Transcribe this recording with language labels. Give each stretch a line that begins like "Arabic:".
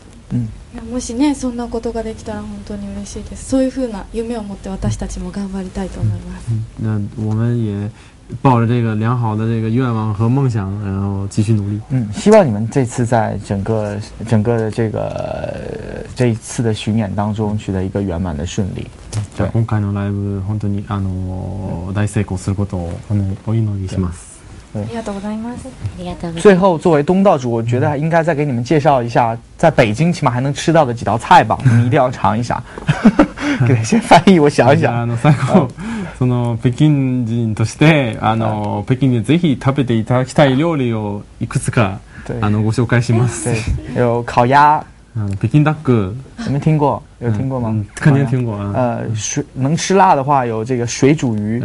Japanese: いや、もしね、そんなことができたら本当に嬉しいです。そういうふうな夢を持って私たちも頑張りたいと思います。
Chinese: 我们也抱着这个良好的这个愿望和梦想，然后继续努力。希望你们这次在整个的这一次的巡演当中取得一个圆满的顺利。
Japanese: じゃあ今回のライブ本当に大成功することをお祈りします。ありがとうございます。ありがとう。
Chinese: 最后作为东道主，我觉得应该再给你们介绍一下在北京起码还能吃到的几道菜吧，你们一定要尝一下。给他先翻译，我想一想。最后。
Japanese: その北京人として北京でぜひ食べていただきたい料理をいくつかご紹介します。
Chinese: 有烤鸭，
Japanese: 北京ダック，
Chinese: 你们听过？有听过吗？肯定听过。能吃辣的话有这个水煮鱼。